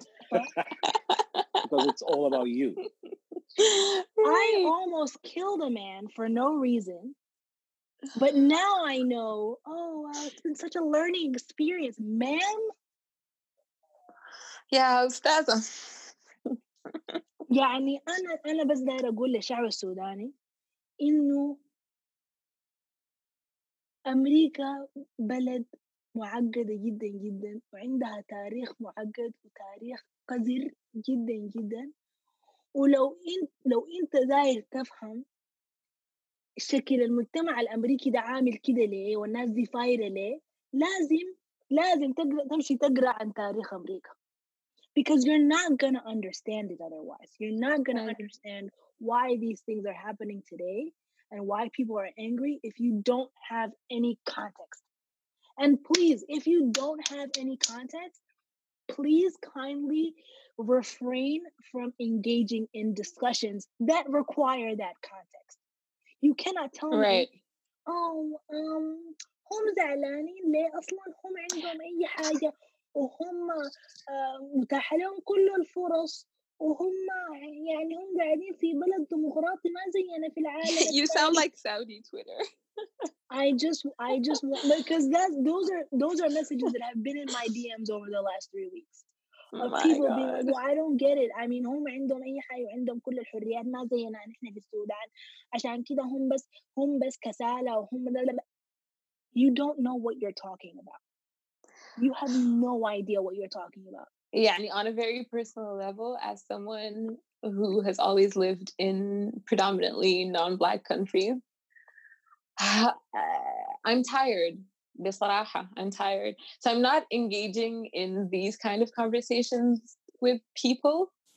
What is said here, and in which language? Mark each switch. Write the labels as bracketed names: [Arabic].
[English] Because it's all about you. Right. I almost killed a man for no reason, but now I know, it's been such a learning experience, ma'am. Yeah, ustaza. [Arabic] يعني أنا بس داير أقول للشعب السوداني إنه أمريكا بلد معقدة جدا جدا وعندها تاريخ معقد وتاريخ قذر جدا جدا ولو أنت داير تفهم شكل المجتمع الأمريكي ده عامل كده ليه والناس دي فايرة ليه لازم تمشي تقرأ عن تاريخ أمريكا [English] because you're not gonna understand it otherwise you're not gonna understand why these things are happening today and why people are angry if you don't have any context. And please, if you don't have any context, please kindly refrain from engaging in discussions that require that context. You cannot tell right. me, oh, [Arabic] هم زعلانين ليه أصلاً هم عندهم أي حاجة وهم متاح لهم كل الفرص وهم يعني هم قاعدين في بلد ديمقراطي ما زينا في العالم. [English] You sound like Saudi Twitter. I just because those are messages that have been in my DMs over the last 3 weeks of my people God. Being like, well, I don't get it. I mean, [Arabic] هم عندهم أي حاجة وعندهم كل الحريات ما زينا نحن في السودان عشان كده هم بس كسالة وهم [English] You don't know what you're talking about. You have no idea what you're talking about. Yeah, I mean, on a very personal level, as someone who has always lived in predominantly non-Black countries, I'm tired. [Arabic] بصراحة, [English] I'm tired. So I'm not engaging in these kind of conversations with people.